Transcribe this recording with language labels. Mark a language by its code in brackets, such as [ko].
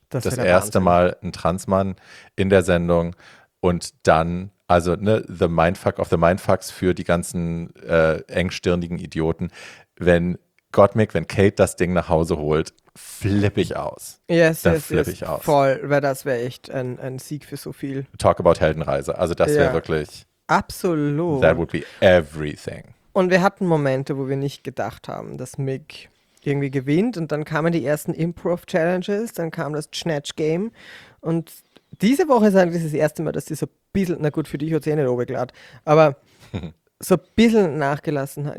[de] Das erste Wahnsinn. Mal ein Transmann in der Sendung und dann also, ne, [en] the mindfuck of the mindfucks [de] für die ganzen engstirnigen Idioten. Wenn Gottmik, wenn Kate das Ding nach Hause holt, flippe ich aus. Yes, flippe ich aus. Voll, weil das wäre echt ein Sieg für so viel. [en] Talk about Heldenreise. [de] Also das wäre wirklich absolut. [en] That would be everything. [de] Und wir hatten Momente, wo wir nicht gedacht haben, dass Mick irgendwie gewinnt. Und dann kamen die ersten Improv-Challenges, dann kam das Snatch-Game. Und diese Woche ist eigentlich das erste Mal, dass die so bisschen, na gut, für dich hat es eh nicht obeglatt, aber so ein bisschen nachgelassen hat.